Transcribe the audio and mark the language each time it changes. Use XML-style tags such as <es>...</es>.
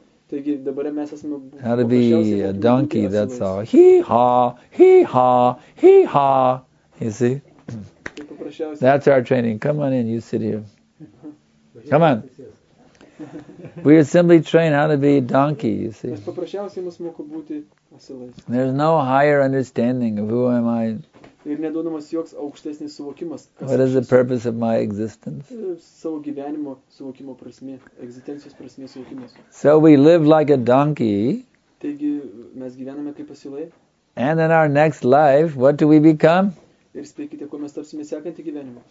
<lt>Taigi dabar mes esame</lt> <en>how to be a donkey, that's all. Hee-haw, hee-haw, hee-haw. You see? That's our training. Come on in, you sit here. Come on. We are simply trained how to be a donkey, you see.</en> <lt>Mes paprasčiausiai mus moko būti asilais.</lt> <en>There's no higher understanding of who am I.</en> <lt>Ir neduodamas joks aukštesnis suvokimas.</lt> <en>What is the purpose of my existence?</en> <lt>Savo gyvenimo suvokimo prasmė, egzistencijos prasmės suvokimas.</lt> <en>So we live like a donkey.</en> <lt>Taigi mes gyvename kaip asilai.</lt> <en>And in our next life, what do we become?</en> <lt>Ir spėkite, kuo mes tapsime sekantį gyvenimą.</lt>